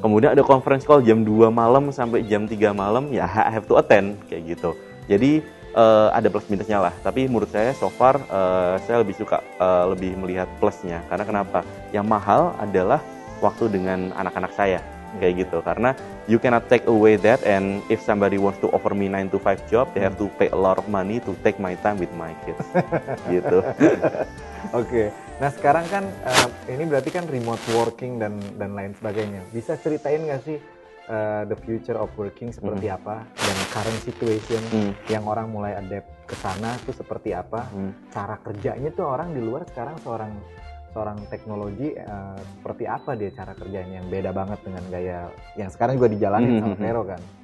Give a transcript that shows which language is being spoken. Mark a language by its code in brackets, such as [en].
[id] Kemudian ada conference call jam 2 malam sampai jam 3 malam, ya [en] I have to attend [id] kayak gitu. Jadi ada plus minusnya lah, tapi menurut saya [en] so far [id] saya lebih suka lebih melihat plusnya. Karena kenapa? Yang mahal adalah waktu dengan anak-anak saya kayak gitu. Karena [en] you cannot take away that, and if somebody wants to offer me 9 to 5 job, they have to pay a lot of money to take my time with my kids. [id] Gitu. Oke. Okay. Nah, sekarang kan ini berarti kan remote working dan lain sebagainya. Bisa ceritain enggak sih [en] the future of working [id] seperti apa, dan [en] current situation [id] yang orang mulai adapt ke sana itu seperti apa? Cara kerjanya tuh orang di luar sekarang seorang teknologi seperti apa dia cara kerjanya, yang beda banget dengan gaya yang sekarang juga dijalani sama Vero kan?